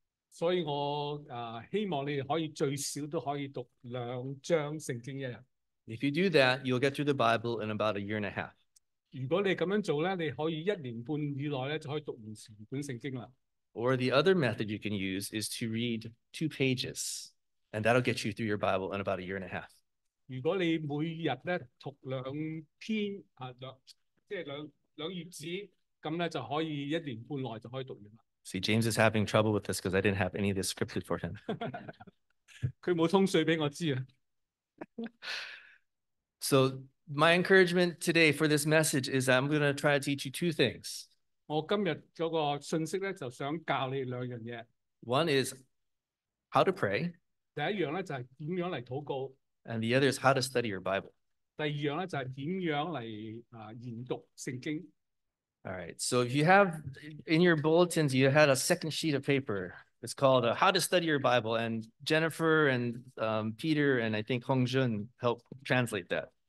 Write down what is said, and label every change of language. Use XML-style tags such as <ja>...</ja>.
<yue>所以我希望你可以最少都可以讀兩章聖經一日。</yue> <en>If you do that, you'll get through the Bible in about a year and a half.</en> <yue>如果你咁樣做咧，你可以一年半以內咧就可以讀完成本聖經啦。</yue> <en>Or the other method you can use is to read two pages, and that'll get you through your Bible in about a year and a half.</en> <yue>如果你每日咧讀兩篇，即係兩頁紙，咁咧就可以一年半內就可以讀完啦。See,</yue> <en>James is having trouble with this because I didn't have any of this scripted for him.</en> <yue>佢冇通水俾我知啊。</yue> <en>So my encouragement today for this message is I'm going to try to teach you two things.</en> <yue>我今日嗰個信息咧，就想教你兩樣嘢。</yue> <en>One is how to pray.</en> <yue>第一樣咧就係點樣嚟禱告。</yue> <en>And the other is how to study your Bible.</en> <yue>第二樣咧就係點樣嚟研讀聖經。</yue> <en>All right. So if you have in your bulletins, you had a second sheet of paper. It's called How to Study Your Bible, and Jennifer and Peter and I think Hong Jun helped translate that.</en>